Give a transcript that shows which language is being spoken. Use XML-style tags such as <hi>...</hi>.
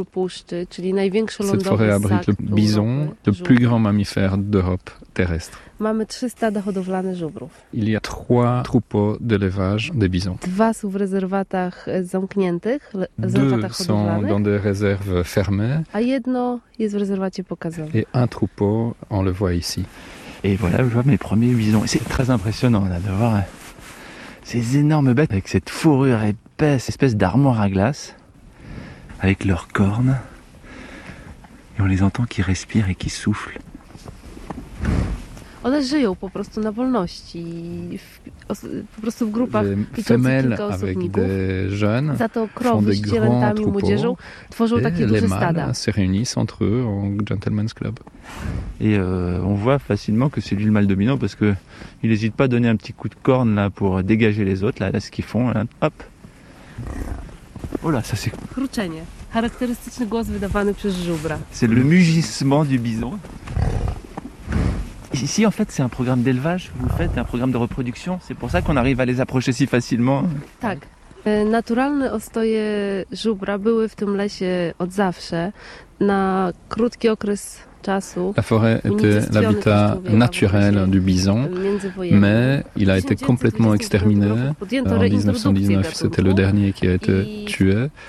<fr>Cette forêt abrite le bison, le plus grand mammifère d'Europe terrestre.</fr> <pl>Mamy 3 stada hodowlane żubrów.</pl> <fr>Il y a 3 troupeaux d'élevage de bisons.</fr> <pl>2</pl> <fr>sont</fr> <pl>w rezerwatach zamkniętych,</pl> <fr>sont dans des réserves fermées.</fr> <pl>A jedno jest w rezerwacie pokazane.</pl> <fr>Et un troupeau, on le voit ici. Et voilà, je vois mes premiers bisons. C'est très impressionnant là, de voir ces énormes bêtes avec cette fourrure épaisse, espèce d'armoire à glace, avec leurs cornes. Et on les entend qui respirent et qui soufflent.</fr> <pl>One żyją po prostu na wolności, po prostu w grupach liczących kilka osobników. Za to krowy z cielętami i młodzieżą tworzą takie duże stada.</pl> <fr>Se réunissent entre eux en gentleman's club. Et on voit facilement que c'est lui le mâle dominant parce que il n'hésite pas à donner un petit coup de corne là pour dégager les autres. Là ce qu'ils font, là, hop. Oh là, ça c'est.</fr> <pl>Kruczenie, charakterystyczny głos wydawany przez żubra.</pl> <fr>C'est le mugissement du bison. Ici, en fait, c'est un programme d'élevage que vous faites, un programme de reproduction. C'est pour ça qu'on arrive à les approcher si facilement.</fr> <pl>Tak. Naturalne ostoje żubra były w tym lesie od zawsze. Na krótki okres</pl> <fr>La forêt était l'habitat naturel du bison, mais il a été complètement exterminé. En 1919, c'était le dernier qui a été tué.</fr>